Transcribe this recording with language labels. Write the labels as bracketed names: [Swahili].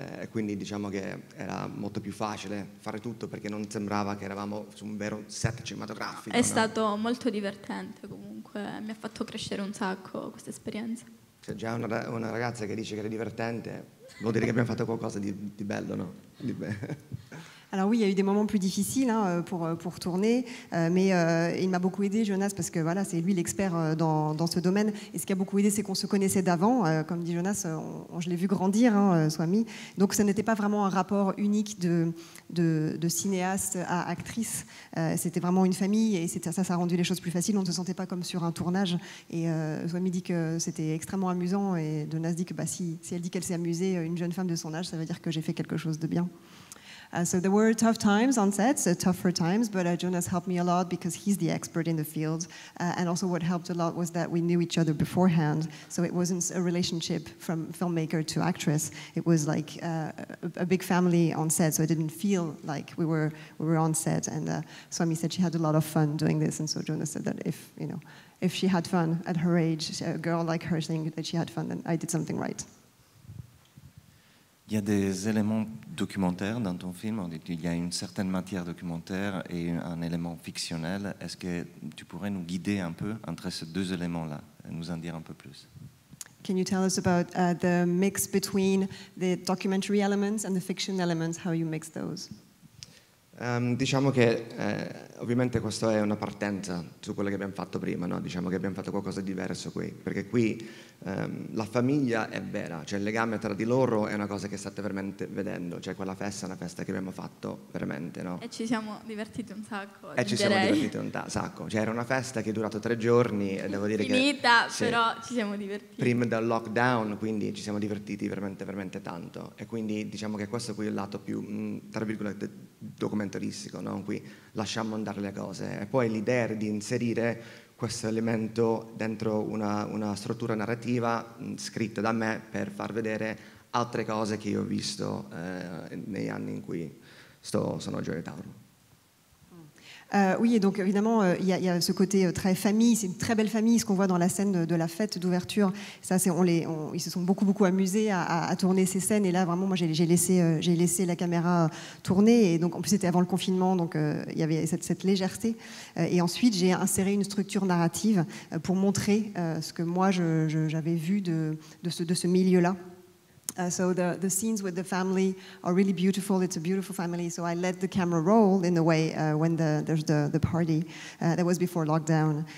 [Italian] Quindi diciamo che era molto più facile fare tutto perché non sembrava che eravamo su un vero set cinematografico. È stato molto divertente comunque, mi ha fatto crescere un sacco questa esperienza. C'è già una ragazza che dice che era divertente, vuol dire che abbiamo fatto qualcosa di bello, no? [French] Alors oui, il y a eu des moments plus difficiles hein, pour tourner, mais il m'a beaucoup aidé, Jonas, parce que voilà, c'est lui l'expert dans ce domaine. Et ce qui a beaucoup aidé, c'est qu'on se connaissait d'avant. Comme dit Jonas, je l'ai vu grandir, hein, Swami. Donc ça n'était pas vraiment un rapport unique de cinéaste à actrice. C'était vraiment une famille et ça a rendu les choses plus faciles. On ne se sentait pas comme sur un tournage. Et Swami dit que c'était extrêmement amusant. Et Jonas dit que bah, si elle dit qu'elle s'est amusée, une jeune femme de son âge, ça veut dire que j'ai fait quelque chose de bien. [English] So there were tough times on sets, tougher times, but Jonas helped me a lot because he's the expert in the field. And also what helped a lot was that we knew each other beforehand. So it wasn't a relationship from filmmaker to actress. It was like a big family on set. So it didn't feel like we were on set. And Swami said she had a lot of fun doing this. And so Jonas said that if she had fun at her age, a girl like her saying that she had fun, then I did something right. [French] Il y a des éléments documentaires dans ton film. Il y a une certaine matière documentaire et un élément fictionnel. Est-ce que tu pourrais nous guider un peu entre ces deux éléments-là et nous en dire un peu plus? [English] Can you tell us about the mix between the documentary elements and the fiction elements, how you mix those? [Italian] Diciamo che ovviamente questa è una partenza su quello che abbiamo fatto prima, no? Diciamo che abbiamo fatto qualcosa di diverso qui, perché qui la famiglia è vera, cioè il legame tra di loro è una cosa che state veramente vedendo, cioè quella festa è una festa che abbiamo fatto veramente, no? E ci siamo divertiti un sacco. E ci siamo divertiti un sacco, cioè era una festa che è durata 3 giorni e devo dire finita, che finita, sì, però ci siamo divertiti prima del lockdown, quindi ci siamo divertiti veramente veramente tanto. E quindi diciamo che questo qui è il lato più tra virgolette documentaristico, no? Qui lasciamo andare le cose. E poi l'idea era di inserire questo elemento dentro una struttura narrativa scritta da me per far vedere altre cose che io ho visto nei anni in cui sono a Gioia Tauro. [French] Oui, et donc évidemment, il y a ce côté très famille, c'est une très belle famille, ce qu'on voit dans la scène de la fête d'ouverture. Ça, c'est, ils se sont beaucoup, beaucoup amusés à tourner ces scènes. Et là, vraiment, moi, j'ai laissé la caméra tourner. Et donc, en plus, c'était avant le confinement, donc il y avait cette légèreté. Et ensuite, j'ai inséré une structure narrative pour montrer ce que moi, j'avais vu de ce milieu-là. [English] So the scenes with the family are really beautiful. It's a beautiful family. So I let the camera roll in a way when there's the party that was before lockdown.